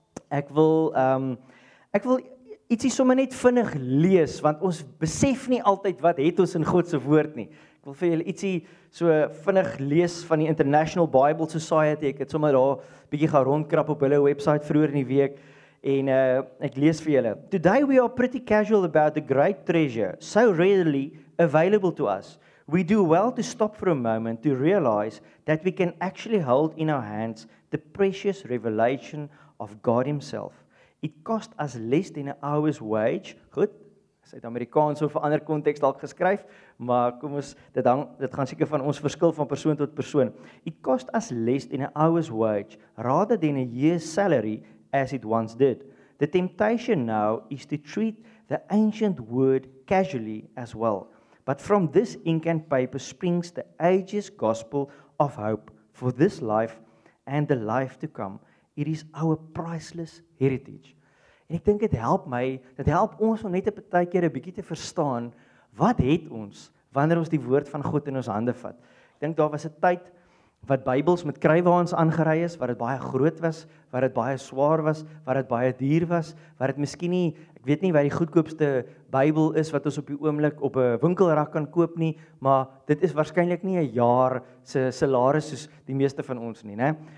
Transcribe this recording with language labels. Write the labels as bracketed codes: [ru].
[af] Ek wil ietsie sommer net vinnig lees, want ons besef nie altyd wat het ons in God se woord nie. Ek wil vir julle ietsie so vinnig lees van die International Bible Society. Ek het sommer daar 'n bietjie gaan rondkrap op hulle website vroeër in die week, en ek lees vir julle. [en] Today we are pretty casual about the great treasure so readily available to us. We do well to stop for a moment to realize that we can actually hold in our hands the precious revelation of God himself. It cost us less than an hour's wage. [af] Goed, Suid-Amerikaans of 'n ander konteks dalk geskryf, maar kom ons, dit gaan seker van ons verskil van persoon tot persoon. [en] It cost us less than an hour's wage, rather than a year's salary as it once did. The temptation now is to treat the ancient word casually as well. But from this ink and paper springs the ages gospel of hope for this life and the life to come. It is our priceless heritage. [af] En ek dink dit help my, dit help ons om net 'n partykeer 'n bietjie te verstaan wat het ons wanneer ons die woord van God in ons hande vat. Ek dink daar was 'n tyd wat Bybels met krywaans aangery is, wat dit baie groot was, wat dit baie swaar was, wat dit baie duur was, wat dit miskien nie, ek weet nie wat die goedkoopste Bybel is wat ons op die oomblik op 'n winkelrak kan koop nie, maar dit is waarskynlik nie 'n jaar se salaris soos die meeste van ons nie, né?